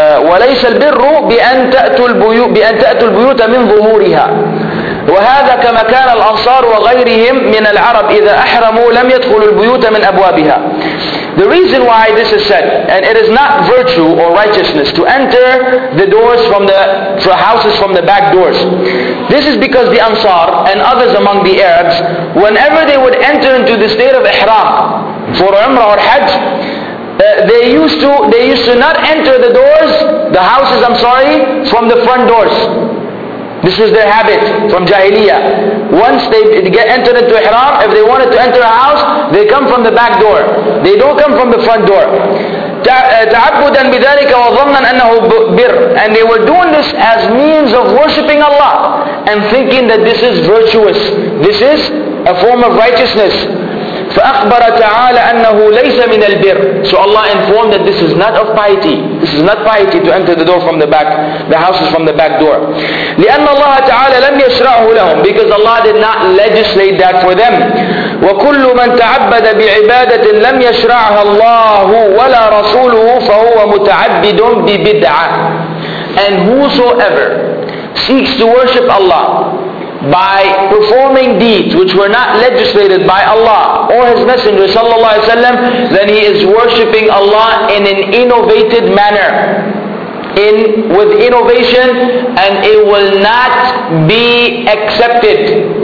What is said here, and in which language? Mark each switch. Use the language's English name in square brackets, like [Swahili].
[Arabic] وليس البر بأن تأتوا البيوت من ظهورها. وهذا كما كان الأنصار وغيرهم من العرب إذا أحرموا لم يدخلوا البيوت من أبوابها. [English] The reason why this is said, and it is not virtue or righteousness to enter the doors from the houses from the back doors. This is because the Ansar and others among the Arabs, whenever they would enter into the state of Ihram for Umrah or Hajj, they used to not enter the doors, the houses, I'm sorry, from the front doors. This was their habit from Jahiliyyah. Once they get entered into Ihram, if they wanted to enter a house, they come from the back door. They don't come from the front door. [Arabic] تَعَبُّدًا بِذَلِكَ وَظَنًّا أَنَّهُ بِرٌّ. [English] And they were doing this as means of worshipping Allah and thinking that this is virtuous. This is a form of righteousness. [Arabic] فأخبر تعالى أنه ليس من البر. [English] So Allah informed that this is not of piety. This is not piety to enter the door from the back, the houses from the back door. [Arabic] لأن الله تعالى لم يشرعه لهم. [English] Because Allah did not legislate that for them. [Arabic] وكل من تعبد بعبادة لم يشرعها الله ولا رسوله فهو متعبد ببدعة. [English] And whosoever seeks to worship Allah by performing deeds which were not legislated by Allah or His Messenger sallallahu alaihi wasallam, then he is worshipping Allah in an innovated manner, with innovation, and it will not be accepted.